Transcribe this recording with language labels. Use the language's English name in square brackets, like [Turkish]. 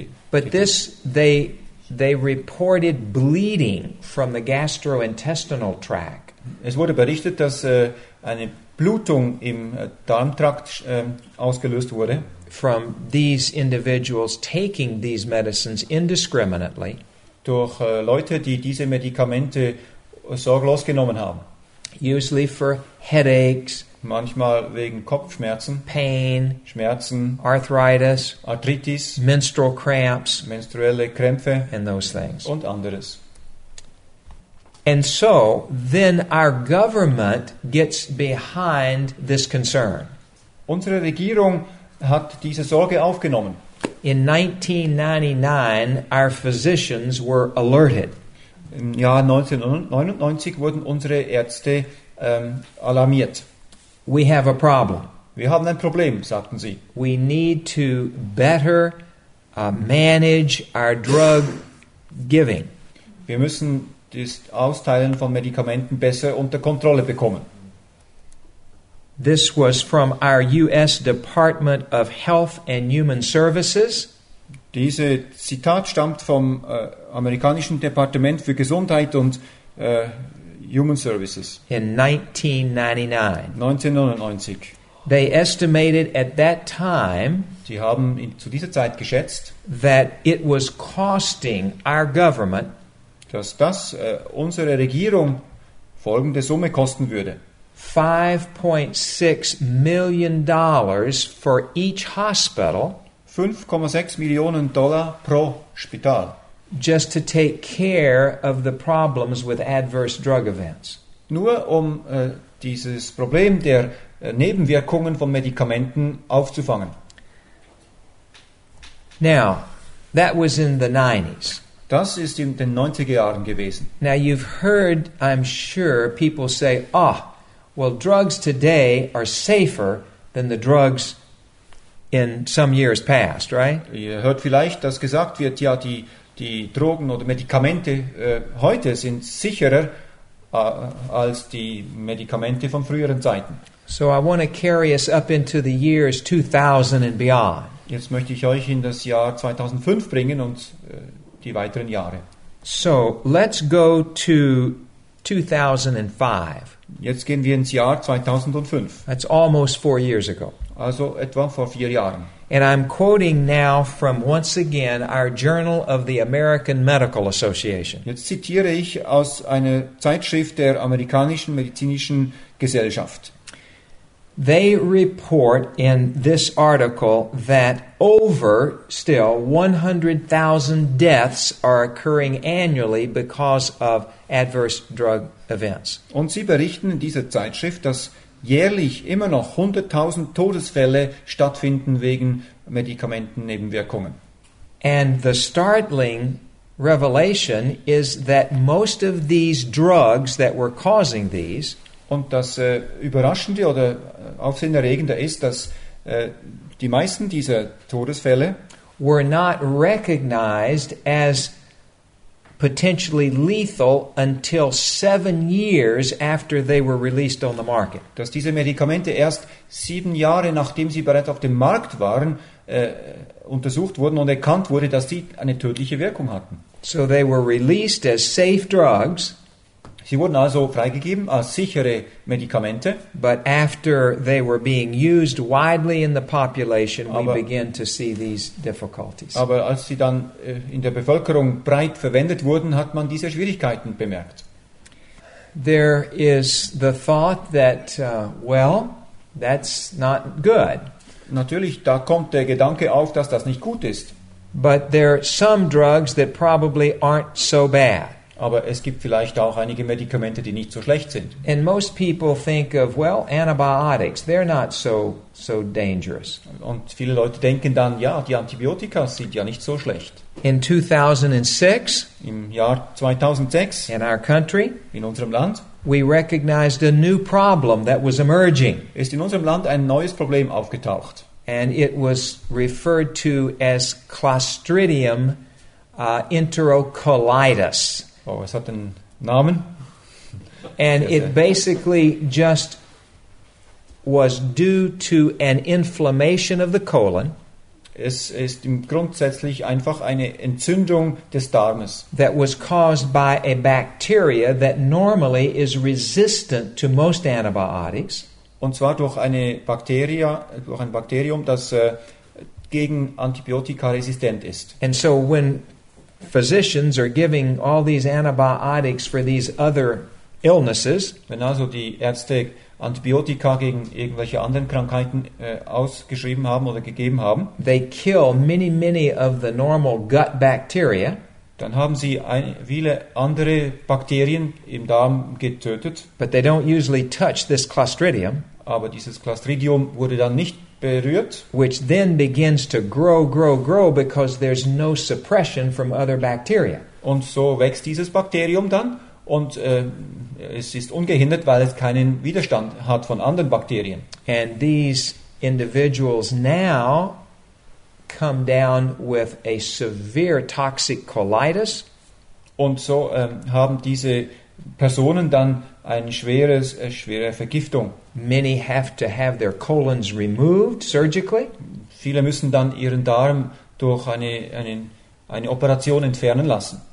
[English] But this, they reported bleeding from the gastrointestinal tract. [German] Es wurde berichtet, dass eine Blutung im Darmtrakt ausgelöst wurde. [English] From these individuals taking these medicines indiscriminately. [German] Durch Leute, die diese Medikamente sorglos genommen haben. [English] Usually for headaches. [German] Manchmal wegen Kopfschmerzen. [English] Pain. [German] Schmerzen. [English] Arthritis. [German] Arthritis. [English] Menstrual cramps. [German] Menstruelle Krämpfe. [English] And those things. [German] Und anderes. [English] And so, then our government gets behind this concern. [German] Unsere Regierung hat diese Sorge aufgenommen. [English] In 1999, our physicians were alerted. [German] Im Jahr 1999 wurden unsere Ärzte alarmiert. [English] We have a problem. [German] Wir haben ein Problem, sagten sie. [English] We need to better manage our drug giving. [German] Wir müssen das Austeilen von Medikamenten besser unter Kontrolle bekommen. [English] This was from our U.S. Department of Health and Human Services. [German] Diese Zitat stammt vom amerikanischen Departement für Gesundheit und Human Services. [English] In 1999. They estimated at that time. [German] Sie haben zu dieser Zeit geschätzt, [English] that it was costing our government. [German] Dass das unsere Regierung folgende Summe kosten würde. [English] $5.6 million for each hospital. [German] 5,6 Millionen Dollar pro Spital. [English] Just to take care of the problems with adverse drug events. [German] Nur um dieses Problem der Nebenwirkungen von Medikamenten aufzufangen. [English] Now, that was in the 90s. [German] Das ist in den 90er Jahren gewesen. [English] Now you've heard, I'm sure, people say, ah, oh, well, drugs today are safer than the drugs in some years past, right? [German] Ihr hört vielleicht, dass gesagt wird, ja, die Drogen oder Medikamente heute sind sicherer als die Medikamente von früheren Zeiten. [English] So I want to carry us up into the years 2000 and beyond. [German] Jetzt möchte ich euch in das Jahr 2005 bringen und die weiteren Jahre. [English] So, let's go to 2005. [German] Jetzt gehen wir ins Jahr 2005. [English] That's almost 4 years ago. [German] Also etwa vor 4 Jahren. [English] And I'm quoting now from, once again, our Journal of the American Medical Association. [German] Jetzt zitiere ich aus einer Zeitschrift der Amerikanischen Medizinischen Gesellschaft. [English] They report in this article that over still 100,000 deaths are occurring annually because of adverse drug events. [German] Und sie berichten in dieser Zeitschrift, dass jährlich immer noch 100,000 Todesfälle stattfinden wegen Medikamentennebenwirkungen. [English] And the startling revelation is that most of these drugs that were causing these. [German] Und das Überraschende oder Aufsehenerregende ist, dass die meisten dieser Todesfälle [English] were not recognized as potentially lethal until 7 years after they were released on the market. [German] Dass diese Medikamente erst 7 Jahre, nachdem sie bereits auf dem Markt waren, untersucht wurden und erkannt wurde, dass sie eine tödliche Wirkung hatten. [English] So they were released as safe drugs. [German] Sie wurden also freigegeben als sichere Medikamente. [English] But after they were being used widely in the population, we begin to see these difficulties. [German] Aber als sie dann in der Bevölkerung breit verwendet wurden, hat man diese Schwierigkeiten bemerkt. [English] there is the thought that, well, that's not good. [German] Natürlich, da kommt der Gedanke auf, dass das nicht gut ist. [English] But there are some drugs that probably aren't so bad. [German] Aber es gibt vielleicht auch einige Medikamente, die nicht so schlecht sind. [English] And most people think of, well, antibiotics, they're not so dangerous. [German] Und viele Leute denken dann, ja, die Antibiotika sind ja nicht so schlecht. [English] In 2006, [German] im Jahr 2006, [English] in our country, [German] in unserem Land, [English] we recognized a new problem that was emerging. [German] Ist in unserem Land ein neues Problem aufgetaucht. [English] And it was referred to as Clostridium enterocolitis. [German] Oh, es hat einen Namen. [English] And it basically just was due to an inflammation of the colon. [German] Es ist grundsätzlich einfach eine Entzündung des Darmes. [English] That was caused by a bacteria that normally is resistant to most antibiotics. [German] Und zwar durch eine Bakterie, durch ein Bakterium, das gegen Antibiotika resistent ist. [English] And so when physicians are giving all these antibiotics for these other illnesses, [German] wenn also die Ärzte Antibiotika gegen irgendwelche anderen Krankheiten ausgeschrieben haben oder gegeben haben, [English] they kill many, many of the normal gut bacteria, [German] dann haben sie viele andere Bakterien im Darm getötet. [English] But they don't usually touch this Clostridium, [German] aber dieses Clostridium wurde dann nicht berührt, [English] which then begins to grow because there's no suppression from other bacteria. [German] Und so wächst dieses Bakterium dann und es ist ungehindert, weil es keinen Widerstand hat von anderen Bakterien. [English] And these individuals now come down with a severe toxic colitis. [German] Und so haben diese Personen dann eine schwere Vergiftung. [English] Many have to have their colons removed surgically. [German] Viele müssen dann ihren Darm durch eine Operation entfernen lassen.